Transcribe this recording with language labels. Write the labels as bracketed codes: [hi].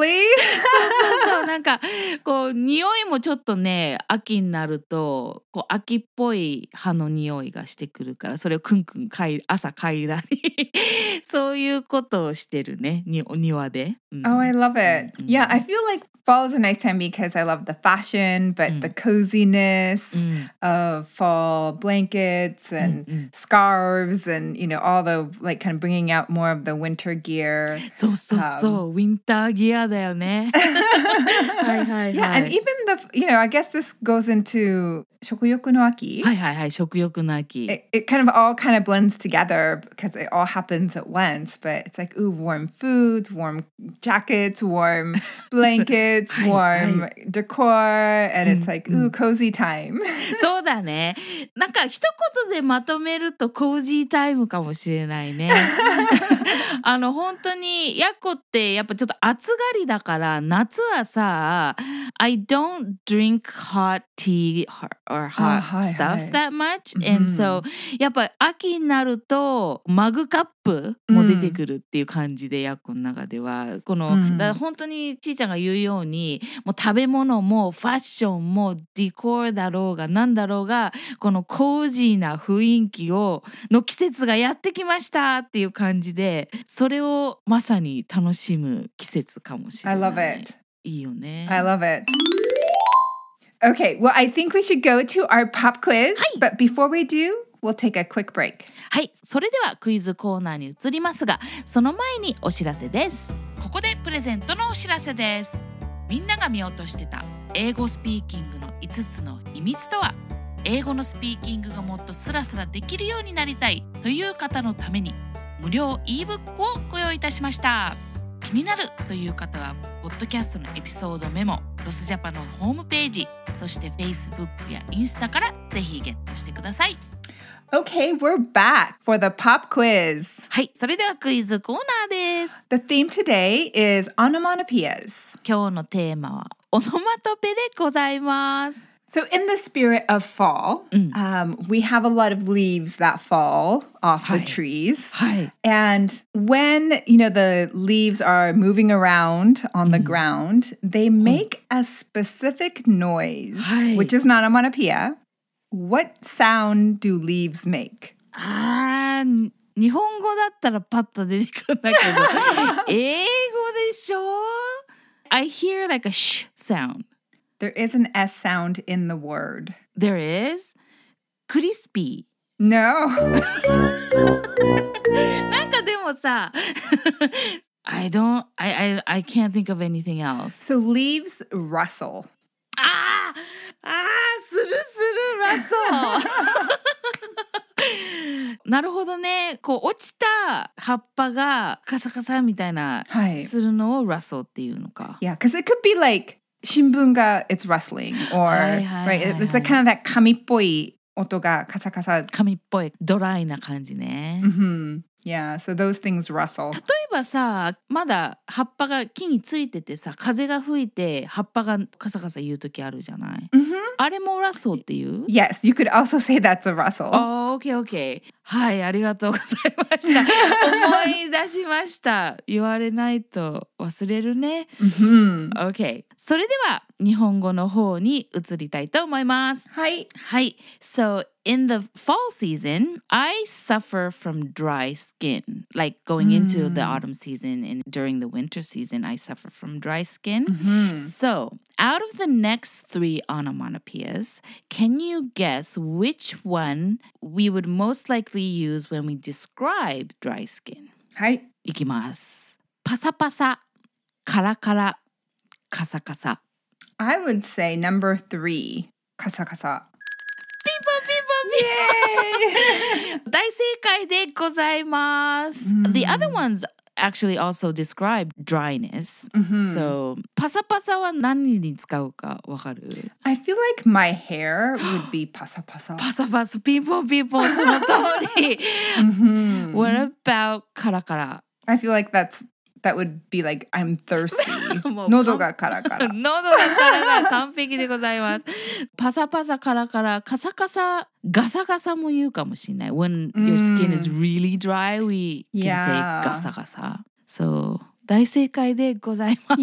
[ja] そうそうそう、なんかこう、匂いもちょっとね、秋になると、こう秋っぽい葉の匂いがしてくるから、それをクンクン朝嗅いだり、そういうことをしてるね、お庭で。 [en] Oh, I love it! Yeah, I feel like... fall is a nice time because I love the fashion, but the coziness of fall blankets and scarves and, you know, all the, like, kind of bringing out more of the winter gear. So, so, so, winter gear da yo ne. Yeah, and even the, you know, I guess this goes into 食欲の秋. [ja] はいはいはい、食欲の秋. [en] It kind of all kind of blends together because it all happens at once, but it's like, ooh, warm foods, warm jackets, warm blankets, warm decor, and it's like, ooh, cozy time. [ja] そうだね。なんか一言でまとめるとコージータイムかもしれないね。あの本当にヤコってやっぱちょっと暑がりだから夏はさ、 [en] I don't drink hot tea or hot stuff that much. [ja] And so やっぱ秋になるとマグカップも出てくるっていう感じで、ヤコの中ではこの、だから本当にちーちゃんが言うようにもう食べ物もファッションもディコールだろうがなんだろうがこのコージーな雰囲気をの季節がやってきましたっていう感じでそれをまさに楽しむ季節かもしれない。 [en] I love it. [ja] いいよね。 [en] I love it. Okay, well, I think we should go to our pop quiz. [ja] はい。 [en] But before we do, we'll take a quick break. [ja] はい、それではクイズコーナーに移りますが、その前にお知らせです。ここでプレゼントのお知らせです。みんなが見落としてた英語スピーキングの5つの秘密とは、英語のスピーキングがもっとスラスラできるようになりたいという方のために無料 e-book をご用意いたしました。気になるという方はポッドキャストのエピソードメモ、ロスジャパのホームページ、そして Facebook やインスタからぜひゲットしてください。 [en] Okay, we're back for the pop quiz. [ja] はい、それではクイズコーナーです。 [en] The theme today is onomatopoeias. [ja] 今日のテーマはオノマトペでございます。 [en] So in the spirit of fall, we have a lot of leaves that fall off the trees. And when, you know, the leaves are moving around on the ground, they make a specific noise, which is not onomatopoeia. What sound do leaves make? [ja] Ah, 日本語だったらパッと出てくるんだけど、英語でしょ? [en] I hear like a sh sound. There is an S sound in the word. There is? Crispy. No. [ja] なんかでもさ、 [en] I can't think of anything else. So leaves rustle. [ja] ああ、するする rustle. なるほどね。こう落ちた葉っぱがカサカサみたいなするのを rustle っていうのか。 [en] Yeah, because it could be like... Shimbunga, it's rustling, or right, it's like kind of that kami [ja] っぽい音がカサカサ。 kami っぽい、ドライな感じね。 [en] Yeah, so those things rustle. [ja] 例えばさ、まだ葉っぱが木についててさ、風が吹いて葉っぱがカサカサ言う時あるじゃない。あれも rustle っていう？ [en] Yes, you could also say that's a rustle. Oh, okay, okay. [ja] はい、ありがとうございました。思い出しました。言われないと忘れるね。 Okay. それでは日本語の方に移りたいと思います。はい。はい。 [en] So, in the fall season, I suffer from dry skin. Like, going into the autumn season and during the winter season, I suffer from dry skin. So, out of the next three onomatopoeias, can you guess which one we would most likely use when we describe dry skin? [ja] はい。いきます。パサパサ、カラカラ。カサカサ。 [en] I would say number three. カサカサ。 [ja] ピンポンピンポンピンポン。大正解でございます。 [en] The other ones actually also describe dryness. [ja] So, パサパサは何に使うかわかる? [en] I feel like my hair would be パサパサ。 [ja] パサパサ、ピンポンピンポン、その通り。 [en] What about カラカラ? I feel like that would be like, I'm thirsty. [ja] 喉がカラカラ。喉がカラカラ、完璧でございます。パサパサカラカラ、カサカサ、ガサガサも言うかもしれない。 [en] When your skin is really dry, we can say ガサガサ。 [ja] So, 大正解でございます。